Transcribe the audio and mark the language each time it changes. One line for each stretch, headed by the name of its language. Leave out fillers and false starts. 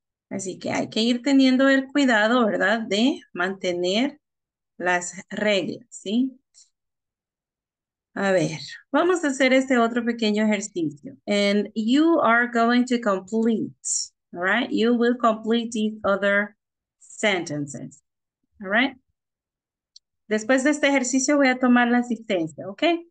Spanish: Así que hay que ir teniendo el cuidado, ¿verdad? De mantener las reglas, ¿sí? A ver, vamos a hacer este otro pequeño ejercicio.
English: And you are going to complete, all right? You will complete these other sentences, all right?
Spanish: Después de este ejercicio voy a tomar la asistencia, ¿ok?